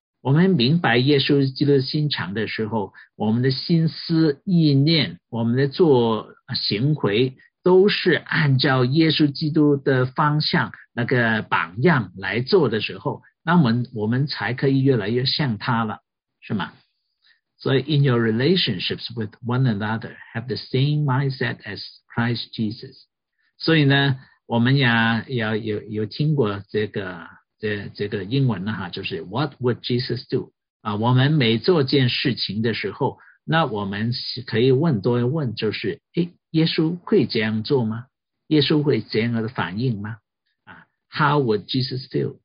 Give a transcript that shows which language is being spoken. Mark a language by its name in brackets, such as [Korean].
[Chinese] 我们明白耶稣基督心肠的时候，我们的心思意念，我们的做行为，都是按照耶稣基督的方向那个榜样来做的时候，那我们才可以越来越像他了，是吗？所以 [English] in your relationships with one another have the same mindset as Christ Jesus。 [Chinese] 所以呢，我们呀有听过这个英文呢哈，就是 [English] What would Jesus do [Chinese] 啊，我们每做件事情的时候，那我们可以问多一问，就是耶稣会这样做吗？耶稣会这样的反应吗？啊 ， [English] How would Jesus feel？